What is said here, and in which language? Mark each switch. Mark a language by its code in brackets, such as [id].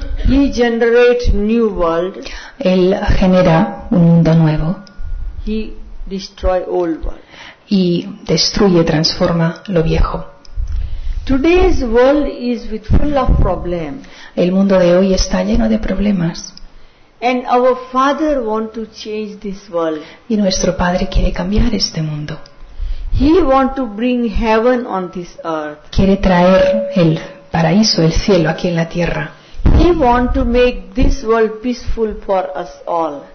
[en] He generates new world. [es] Él genera un mundo nuevo. [en] He destroys old world. [es] Y destruye, transforma lo viejo. [en] Today's world is with full of problems. [es] El mundo de hoy está lleno de problemas. [en] And our father want to change this world. [es] Y nuestro padre quiere cambiar este mundo. [en] He want to bring heaven on this earth. [es] Quiere traer el paraíso, el cielo aquí en la tierra. [en] He want to make this world peaceful for us all.